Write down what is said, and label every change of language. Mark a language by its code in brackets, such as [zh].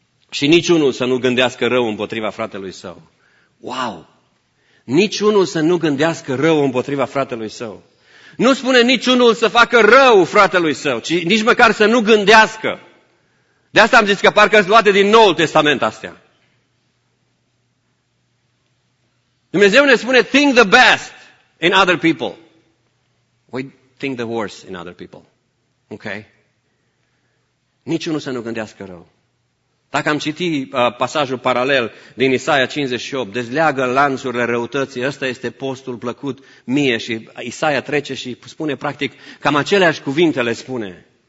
[ro] Și niciunul să nu gândească rău împotriva fratelui său. Wow! Niciunul să nu gândească rău împotriva fratelui său. Nu spune niciunul să facă rău fratelui său, ci nici măcar să nu gândească. De asta am zis că parcă-s luate din Noul Testament astea. Dumnezeu ne spune, [en] think the best in other people. We think the worst in other people. Ok? [ro] Niciunul să nu gândească rău. Dacă am citit pasajul paralel din Isaia 58, dezleagă lanțurile răutății, ăsta este postul plăcut mie. Și Isaia trece și spune practic, cam aceleași cuvinte le spune.